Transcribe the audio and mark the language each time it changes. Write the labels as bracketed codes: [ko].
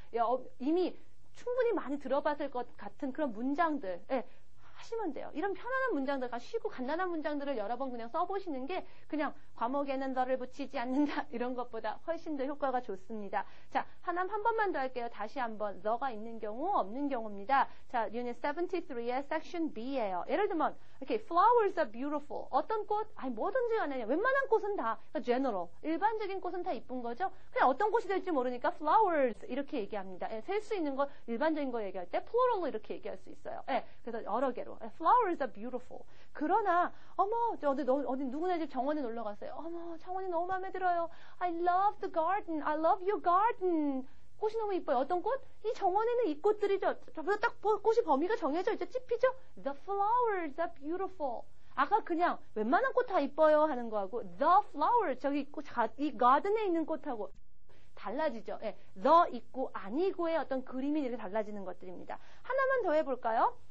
[ko] 예, 이미 충분히 많이 들어봤을 것 같은 그런 문장들. 예. 하시면 돼요. 이런 편안한 문장들, 쉬고 간단한 문장들을 여러 번 그냥 써보시는 게 그냥 과목에는 너를 붙이지 않는다 이런 것보다 훨씬 더 효과가 좋습니다. 자, 하나 한 번만 더 할게요. 다시 한번 너가 있는 경우 없는 경우입니다. 자, Unit 73의 Section B예요. 예를 들면 [en] okay, Flowers are beautiful. [ko] 어떤 꽃? 아니 뭐든지 아니야. 웬만한 꽃은 다 General. 일반적인 꽃은 다 이쁜 거죠. 그냥 어떤 꽃이 될지 모르니까 Flowers 이렇게 얘기합니다. 예, 셀 수 있는 거 일반적인 거 얘기할 때 Plural로 이렇게 얘기할 수 있어요. 예, 그래서 여러 개 [en] Flowers are beautiful. [ko] 그러나 어머 어디 누구네 집 정원에 놀러 갔어요. 어머 정원이 너무 마음에 들어요. [en] I love the garden. I love your garden. [ko] 꽃이 너무 이뻐요. 어떤 꽃? 이 정원에는 이 꽃들이죠. 저보다 딱 꽃이 범위가 정해져 있죠. 찝히죠? [en] The flowers are beautiful. [ko] 아까 그냥 웬만한 꽃 다 이뻐요 하는 거하고 the flowers 저기 이 garden에 있는 꽃하고 달라지죠. 예, 너 있고 아니고의 어떤 그림이 이렇게 달라지는 것들입니다. 하나만 더 해볼까요?